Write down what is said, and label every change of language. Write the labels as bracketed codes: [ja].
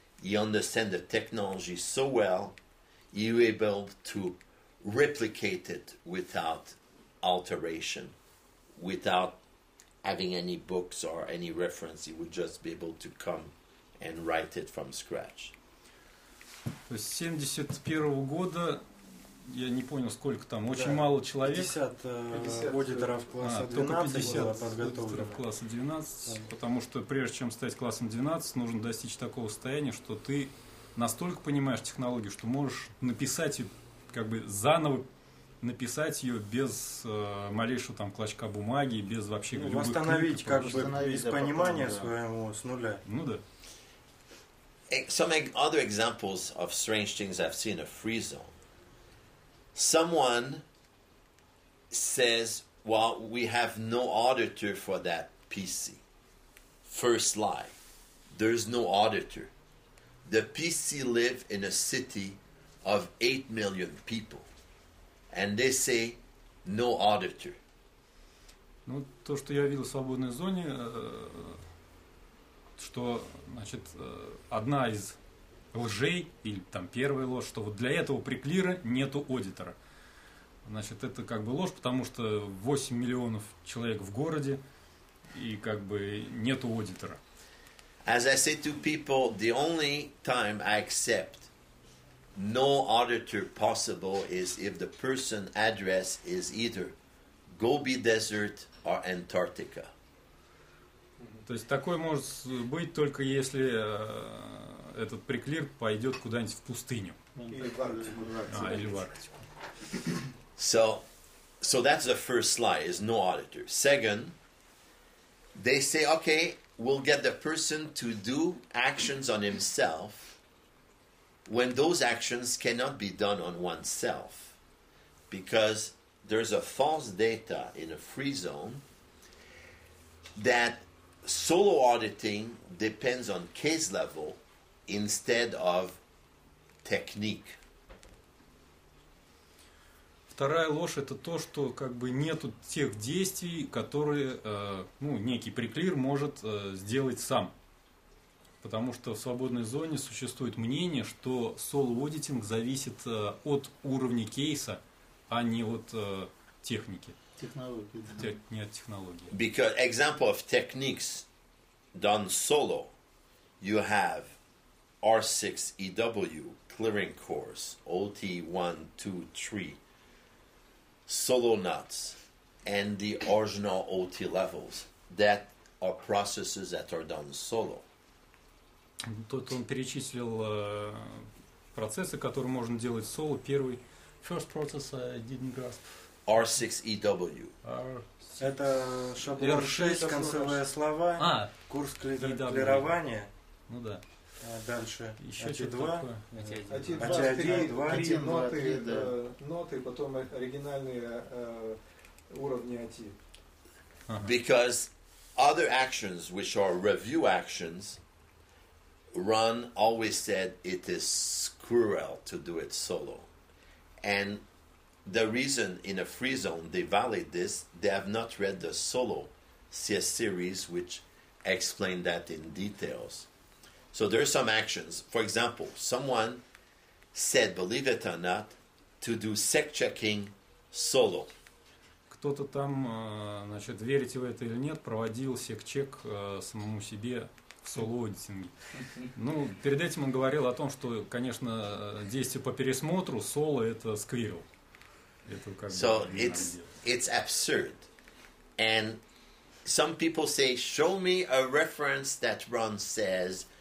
[en] He understands the technology so well, he's able to replicate it without alteration, without having any books or any reference. He would just be able to come and write it from scratch. [ru] То есть 71-го года, я не понял, сколько там, очень мало человек. 50 аудиторов класса 12 было подготовлено. Аудиторов класса 12, потому что прежде чем стать классом 12, нужно достичь такого состояния, что ты настолько понимаешь технологию, что можешь написать, как бы заново написать ее без малейшего там клочка бумаги, без вообще любых книг. Восстановить как бы из понимания своего с нуля. Ну да. [en] Some other examples of strange things I've seen in a free zone. Someone says, well, we have no auditor for that PC. First lie. There's no auditor. The PC live in a city of 8 million people. And they say, no auditor. [ru] Ну, то, что я видел в свободной зоне, что, значит, одна из лжей, или там первая ложь, что вот для этого приклира нету аудитора. Значит, это как бы ложь, потому что 8 миллионов человек в городе, и как бы нету аудитора. [en] As I say to people, the only time I accept no auditor possible is if the person address is either Gobi Desert or Antarctica. [ru] То есть такое может быть только если этот приклир пойдет куда-нибудь в пустыню. Или в Арктику. [en] So that's the first lie, is no auditor. Second, they say, okay, we'll get the person to do actions on himself when those actions cannot be done on oneself. Because there's a false data in a free zone that solo auditing depends on case level instead of technique. [ru] Вторая ложь – это то, что как бы нету тех действий, которые ну, некий приклир может сделать сам. Потому что в свободной зоне существует мнение, что соло-аудитинг зависит от уровня кейса, а не от техники. Технологии. Не от технологии. [en] Because example of techniques done solo, you have R6EW, clearing course, OT1, 2, 3, solo nuts and the original OT levels that are processes that are done solo. [ru] Тут он перечислил процессы, которые можно делать соло. Первый, [en] first process I didn't grasp. [ru] R6EW. Это шаблон R6, концевые слова, курс клирования. Ну да. Дальше. Еще А2. А1, 2, 3, ноты, да. Ноты, потом оригинальные уровни АТИ. [en] Because other actions, which are review actions, Ron always said it is squirrel to do it solo. And the reason in a free zone they validate this, they have not read the solo CS series, which explained that in details. So there are some actions. For example, someone said, believe it or not, to do sec checking solo. [ru] Кто-то там, значит, верите в это или нет, проводил сек чек самому себе в соло-аудитинге. Ну, перед этим он говорил о том, что, конечно, действие по пересмотру соло это сквирл. Это как бы. [en] So it's absurd. And some people say, show me a reference that Ron says.